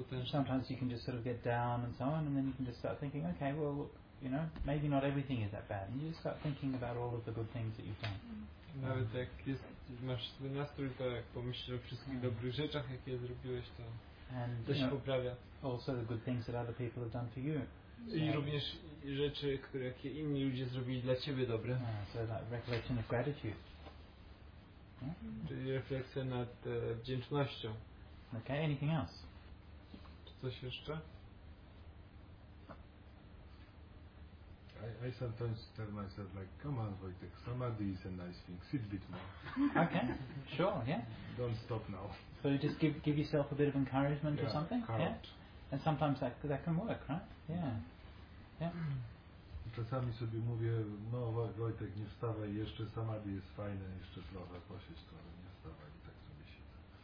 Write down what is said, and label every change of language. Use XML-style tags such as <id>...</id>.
<en>Sometimes you can just sort of get down and so on, and then you can just start thinking, okay, well, look, you know, maybe not everything is that bad. And you just start thinking about all of the good things that you've done.</en> <pl>Nawet jak masz zły nastrój, to jak pomyślisz o wszystkich dobrych rzeczach, jakie zrobiłeś, to się poprawia.</pl> <en>Also the good things that other people have done for you.</en> <pl>I również rzeczy, które jakie inni ludzie zrobili dla ciebie dobre.</pl> <en>So that recollection of gratitude.</en> <pl>Czyli refleksja nad wdzięcznością.</pl> <en>Okay, anything else?</en> <pl>Czy coś jeszcze?</pl> <en>I sometimes tell myself, like, come on, Wojtek, samadhi is a nice thing, sit a bit more. Okay, sure, yeah. Don't stop now. So you just give yourself a bit of encouragement or something? Carrot. Yeah, and sometimes that can work, right? Yeah.</en> <pl>Czasami sobie mówię, no Wojtek, nie wstawaj, jeszcze samadhi jest fajne, jeszcze trochę, posiedź trochę, nie wstawaj, i tak sobie siedzę.</pl>